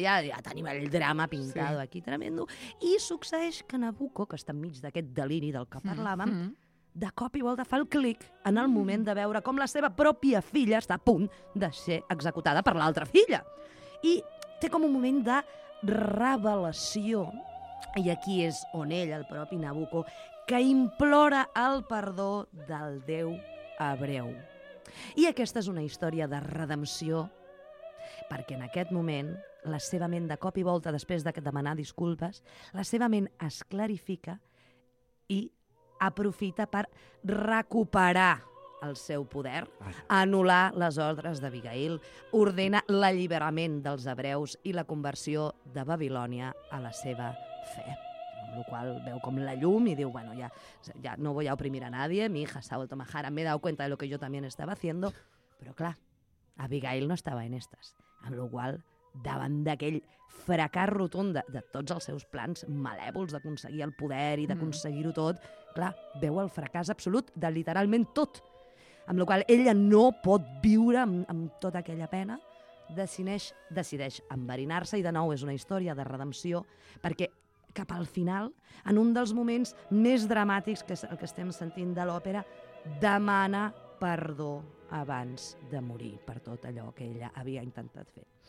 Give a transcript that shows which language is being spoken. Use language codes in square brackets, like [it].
[ca] Ja tenim el drama pintado aquí, tremendo. I succeeix que Nabucco, que està enmig d'aquest deliri del que parlàvem, de cop i volta fa el clic en el moment de veure com la seva pròpia filla està a punt de ser executada per l'altra filla. I té com un moment de revelació, i aquí és on ell, el propi Nabucco, que implora el perdó del déu hebreu. I aquesta és una història de redempció, perquè en aquest moment la seva ment, de cop i volta, després de demanar disculpes, la seva ment es clarifica i aprofita per recuperar el seu poder, anul·lar les ordres d'Abigail, ordena l'alliberament dels hebreus i la conversió de Babilònia a la seva fe. Amb la qual veu com la llum i diu, [es] bueno, ya no voy a oprimir a nadie, mi hija se ha vuelto majara, me he dado cuenta de lo que yo también estaba haciendo. [ca] Però, clar, Abigail no estava en estas. Amb la qual, davant d'aquell fracàs rotund de tots els seus plans malèvols d'aconseguir el poder i d'aconseguir-ho tot, clar, veu el fracàs absolut de literalment tot. Amb la qual ella no pot viure amb tota aquella pena, decideix enverinar-se, i de nou és una història de redempció, perquè cap al final, en un dels moments més dramàtics que és el que estem sentint de l'òpera, demana perdó abans de morir per tot allò que ella havia intentat fer.